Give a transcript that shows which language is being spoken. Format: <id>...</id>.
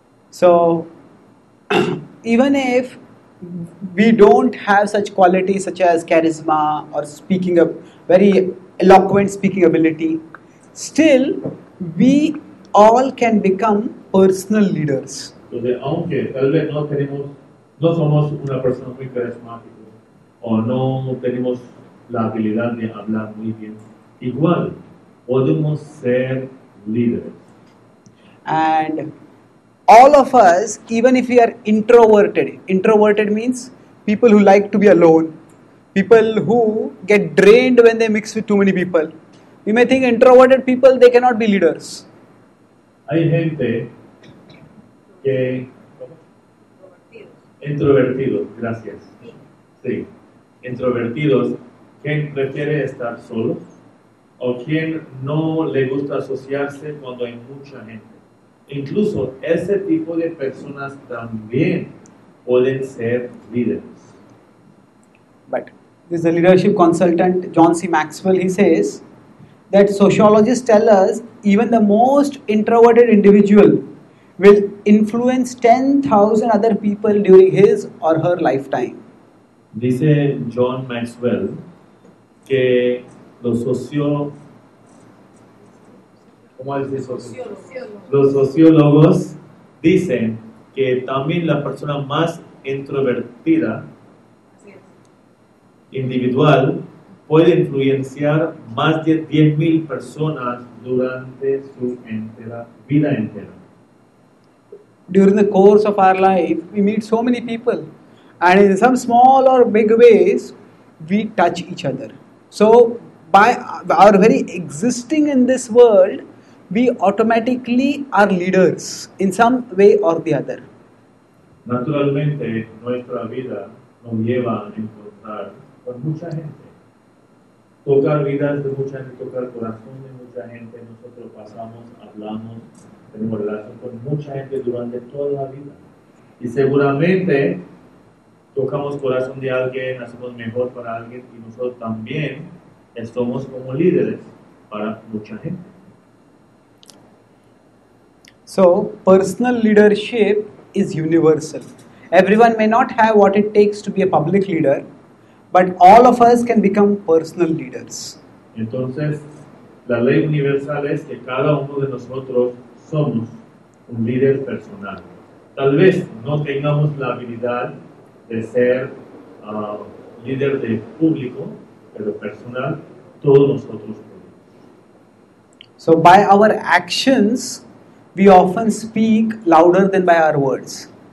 <en>So, even if we don't have such qualities such as charisma or speaking of very eloquent speaking ability, still we all can become personal leaders.</en> <es>Entonces, aunque tal vez no tenemos, no somos una persona muy carismática o no tenemos la habilidad de hablar muy bien, igual podemos ser líderes.</es> <en>And all of us, even if we are introverted means people who like to be alone, people who get drained when they mix with too many people. We may think introverted people, they cannot be leaders.</en> <es>Hay gente que... Introvertidos, gracias. Sí, introvertidos, ¿quién prefiere estar solo? ¿O quién no le gusta asociarse cuando hay mucha gente? Incluso ese tipo de personas también pueden ser líderes.</es> <en>But this is a leadership consultant, John C. Maxwell. He says that sociologists tell us even the most introverted individual will influence 10,000 other people during his or her lifetime.</en> <es>Dice John Maxwell que los sociólogos dicen que también la persona más introvertida individual puede influenciar más de 10,000 personas durante su entera vida entera.</es> <en>During the course of our life, we meet so many people, and in some small or big ways, we touch each other. So, by our very existing in this world, we automatically are leaders in some way or the other.</en> <es>Naturalmente, nuestra vida nos lleva a encontrar con mucha gente. Tocar vidas de mucha gente, tocar corazón de mucha gente. Nosotros pasamos, hablamos, tenemos relación con mucha gente durante toda la vida. Y seguramente tocamos corazón de alguien, hacemos mejor para alguien, y nosotros también somos como líderes para mucha gente.</es> <en>So, personal leadership is universal. Everyone may not have what it takes to be a public leader, but all of us can become personal leaders.</en> <es>Entonces, la ley universal es que cada uno de nosotros somos un líder personal. Tal vez no tengamos la habilidad de ser líder de público, pero personal, todos nosotros podemos.</es> <en>So, by our actions, we often speak louder than by our words.</en>